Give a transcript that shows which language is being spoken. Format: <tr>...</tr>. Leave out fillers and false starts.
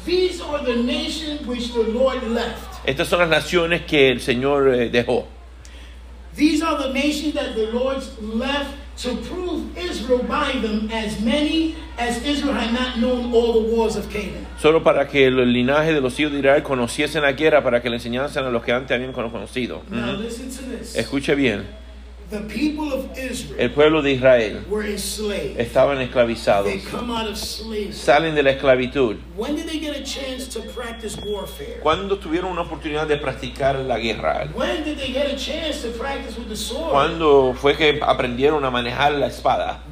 <en>These are the nations which the Lord left.</en> <es>Estas son las naciones que el Señor dejó.</es> <en>These are the nations that the Lord left to prove Israel by them, as many as Israel had not known all the wars of Canaan.</en> <es>Solo para que el linaje de los hijos de Israel conociesen la guerra, para que le enseñasen a los que antes habían conocido.</es> <en>Now listen to this.</en> <es>Escuche bien.</es> <en>The people of Israel,</en> <es>el pueblo de Israel,</es> <en>were enslaved.</en> <es>Estaban esclavizados.</es> <en>They come out of slavery.</en> <es>Salen de la esclavitud.</es> <en>When did they get a chance to practice warfare?</en> <es>¿Cuándo tuvieron una oportunidad de practicar la guerra?</es> <en>When did they get a chance to practice with the sword?</en> <es>¿Cuándo fue que aprendieron a manejar la espada?</es>